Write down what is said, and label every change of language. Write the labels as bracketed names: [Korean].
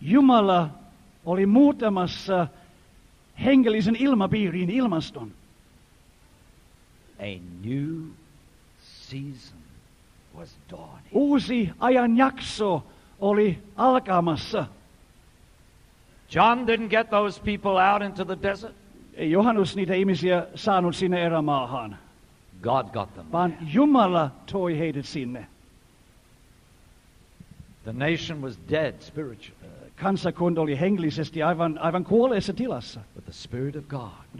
[Finnish] Jumala oli muuttamassa hengellisen ilmapiirin ilmaston. [English] A new season was dawning. [Finnish] Uusi ajanjakso oli alkamassa. [English] John didn't get those people out into the desert. [Finnish] Ei Johannes niitä ihmisiä saanut sinne erämaahan. [English] God got them. [Finnish] Vaan Jumala toi heidät sinne. [English] The nation was dead spiritually. [Finnish] Kansakunta oli hengellisesti aivan kuolleessa tilassa. [English] But the Spirit of God.